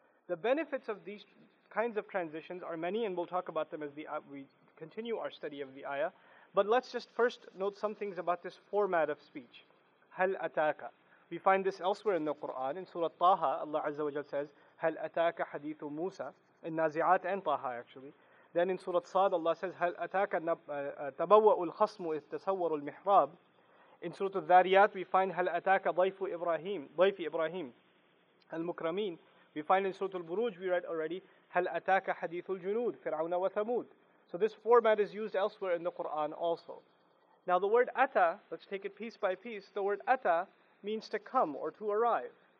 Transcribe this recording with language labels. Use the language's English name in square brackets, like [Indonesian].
[English] The benefits of these kinds of transitions are many, and we'll talk about them as we continue our study of the ayah. But let's just first note some things about this format of speech. [Arabic] هَلْ أَتَاكَ. [English] We find this elsewhere in the Qur'an. In Surah Taha, Allah Azza wa Jal says, [Arabic] هَلْ أَتَاكَ حَدِيثُ مُوسَى. [English] In Nazi'at and Taha actually. Then in Surah Sad, Allah says, [Arabic] هَلْ أَتَاكَ تَبَوَّأُ الْخَصْمُ إِذْ تَسَوَّرُ الْمِحْرَابِ. [English] In Surah Al-Dhariyat, we find, [Arabic] هَلْ أَتَاكَ ضَيْفُ إِبْرَاهِيمُ. ضَيْفِ إِبْرَاهِيمُ. المكرمين. [English] We find in Surah Al-Buruj, we read already, [Arabic] هَلْ أَتَاكَ حَدِيثُ الْجُنُودِ فِرْعَوْنَ وَثَمُودِ. [English] So this format is used elsewhere in the Qur'an also. Now the word ata, let's take it piece by piece, the word ata means to come or to arrive.